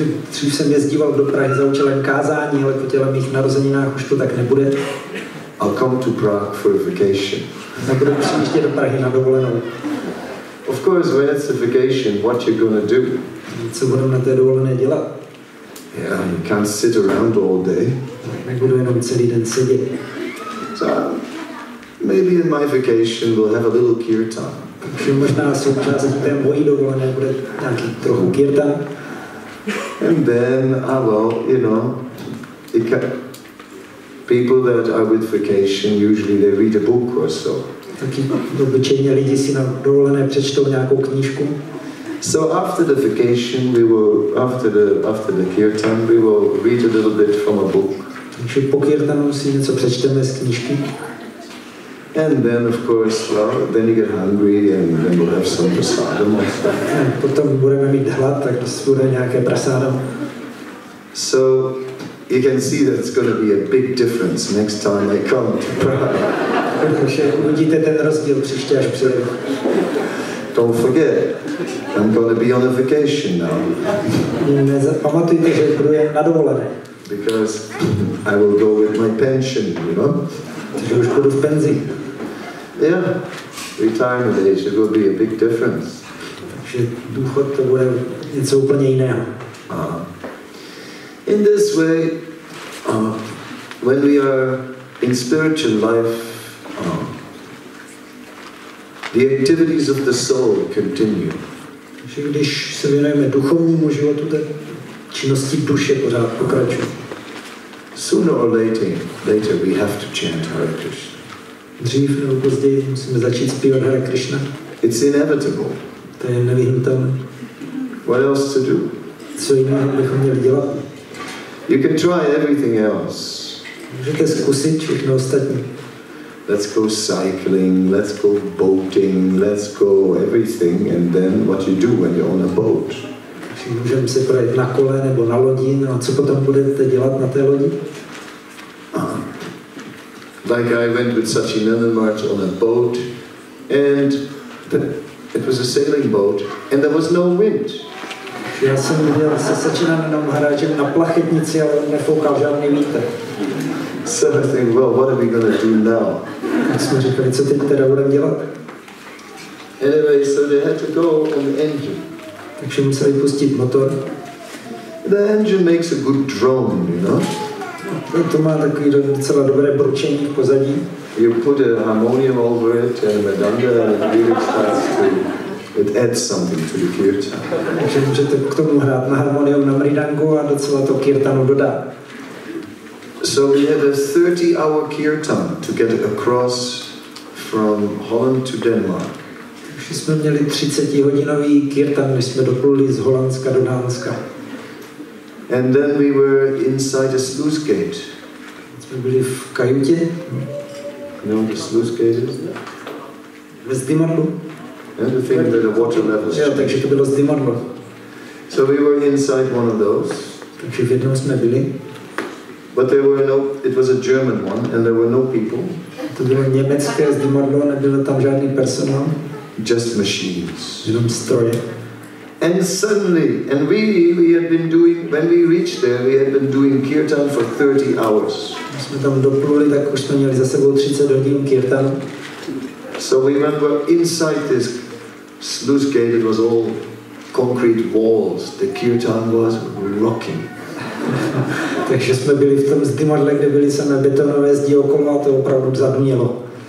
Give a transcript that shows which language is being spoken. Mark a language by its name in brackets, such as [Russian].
[Czech] Dřív jsem jezdíval do Prahy za účelem kázání, ale po těle mých narozeninách už to tak nebude. [English] I'll come to Prague for a vacation. Of course, when it's a vacation, what you're gonna do? [Czech] Co budu na té dovolené dělat? [English] Yeah, you can't sit around all day. [Czech] Nebudu jenom celý den sedět. [English] So, maybe in my vacation we'll have a little kirtan. [Czech] Možná součas té mojí dovolené bude nějaký trochu kirtan. [English] And then, you know, people that are with vacation, usually they read a book or so. [Czech] Taky obyčejně lidi si na dovolené přečtou nějakou knížku. [English] So after the vacation, we will after the kirtan, we will read a little bit from a book. [Czech] Takže po kirtanu si něco přečteme z knížky. [English] And then, of course, then you get hungry, and then we'll have some prasadam. [Czech] Potom budeme mít hlad, tak bude nějaké prasadam. [English] So you can see that it's going to be a big difference next time I come to Prague. [Czech] Takže uvidíte ten rozdíl příště, až přijedu. [English] Don't forget, I'm going to be on a vacation now. [Czech] Nezapamatujte, že budu jen na dovolené. [English] Because I will go with my pension, you know? [Czech] Takže už budu v penzi. [English] Yeah, retirement age, it will be a big difference. [Czech] Takže důchod to bude něco úplně jiného. [English] In this way, when we are in spiritual life, the activities of the soul continue. [Czech] Že když se věnujeme duchovnímu životu, tak činnosti duše pořád pokračují. [English] Sooner or later we have to chant Hare Krishna. [Czech] Dřív nebo později musíme začít zpívat Hare Krishna. [English] It's inevitable. [Czech] To je nevyhnutelné. [English] What else to do? [Czech] Co jiného bychom měli dělat? [English] You can try everything else. [Czech] Můžete zkusit všechno ostatní. [English] Let's go cycling, let's go boating, let's go everything, and then what you do when you're on a boat. [Czech] Můžeme se projet na kole nebo na lodi, no a co potom budete dělat na té lodi? [English] Like I went with Sachin Nandamarch on a boat, and it was a sailing boat, and there was no wind. [Czech] Já jsem jel se Sachinem Nandamarchem na plachetnici, ale nefoukal žádný vítr. [English] So I think, well, what are we going to do now? [Czech] Jsme říkali, co teď teda budeme dělat? [English] Anyway, so they had to go on the engine. [Czech] Takže museli pustit motor. [English] The engine makes a good drone, you know? [Czech] No, to má takový docela dobré bručení v pozadí. [English] You put a harmonium over it and a medanda and it really starts to... It adds something to the kirtan. [Czech] Takže můžete k tomu hrát na harmonium na mridangu a docela to kirtanu dodá. [English] So we had a 30-hour kirtan to get across from Holland to Denmark. [Czech] Takže jsme měli 30-hodinový kirtan, když jsme dopluli z Holandska do Dánska. [English] And then we were inside a sluice gate. [Czech] Jsme byli v kajutě. [English] No, the sluice gate is [Czech] ve zdymadlu. [English] And the thing that the water level changed. [Czech] Jo, takže to bylo zdymadlo. [English] So we were inside one of those. [Czech] Takže v jednom jsme byli. [English] But there were no, it was a German one, and there were no people. [Czech] To bylo německé zdymadlo, nebylo tam žádný personál. [English] Just machines. [Czech] Jenom stroje. [English] And suddenly, and we had been doing, when we reached there, we had been doing kirtan for 30 hours. [Czech] My jsme tam dopluli, tak už jsme měli za sebou 30 hodin kirtan. [English] So we went inside this sluice gate, it was all concrete walls. The kirtan was rocking. [Czech] Takže jsme byli v tom zdymadle, kde byly samé betonové zdi okolo a to opravdu zadmělo.